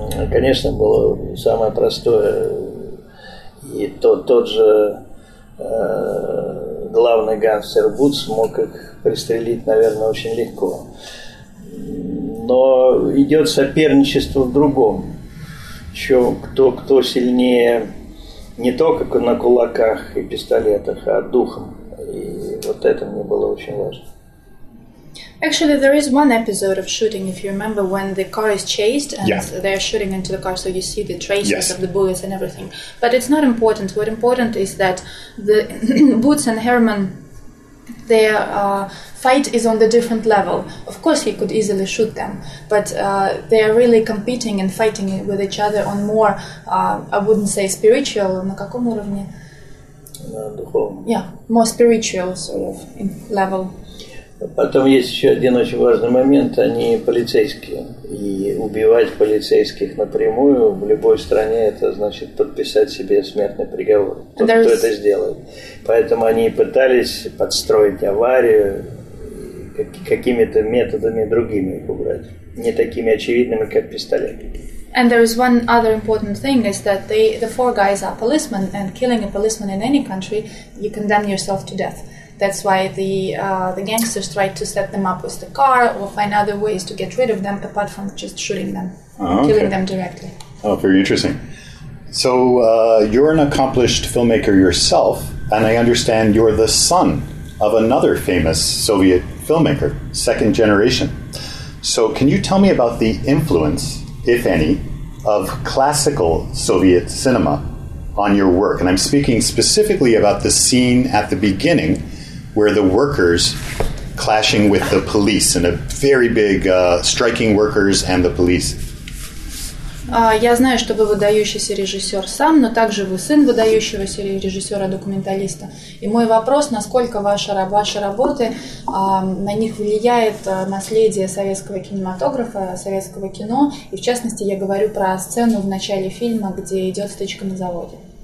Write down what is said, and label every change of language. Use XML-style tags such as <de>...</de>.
<ru>Конечно, было самое простое, и тот же главный гангстер Бутс мог их пристрелить, наверное, очень легко. Но идет соперничество в другом. Еще кто сильнее, не только на кулаках и пистолетах, а духом. И вот это мне было очень важно.</ru> <en>Actually, there is one episode of shooting, if you remember, when the car is chased and yeah. They are shooting into the car, so you see the traces yes. of the bullets and everything. But it's not important. What important is that the Boots and Herman, their fight is on the different level. Of course, he could easily shoot them, but they are really competing and fighting with each other on more, I wouldn't say spiritual,</en> <ru>на каком уровне? На духовном.</ru> <en>Yeah, more spiritual sort of level.</en> <ru>Потом есть еще один очень важный момент. Они полицейские. И убивать полицейских напрямую в любой стране, это значит подписать себе смертный приговор. Тот, кто это сделает. Поэтому они пытались подстроить аварию, какими-то методами другими их убрать. Не такими очевидными, как пистолеты.</ru> <en>And there is one other important thing is that the four guys are policemen, and killing a policeman in any country, you condemn yourself to death. That's why the gangsters tried to set them up with the car or find other ways to get rid of them apart from just shooting them, killing them directly. Oh, very interesting. So you're an accomplished filmmaker yourself, and I understand you're the son of another famous Soviet filmmaker, second generation. So can you tell me about the influence, if any, of classical Soviet cinema on your work? And I'm speaking specifically about the scene at the beginning where the workers clashing with the police, and a very big striking workers and the police.</en> <ru>Я знаю, что вы выдающийся режиссер сам, но также вы сын выдающегося режиссера-документалиста. И мой вопрос, насколько ваши работы, на них влияет наследие советского кинематографа, советского кино. И в частности, я говорю про сцену в начале фильма, где идет стычка на заводе.</ru>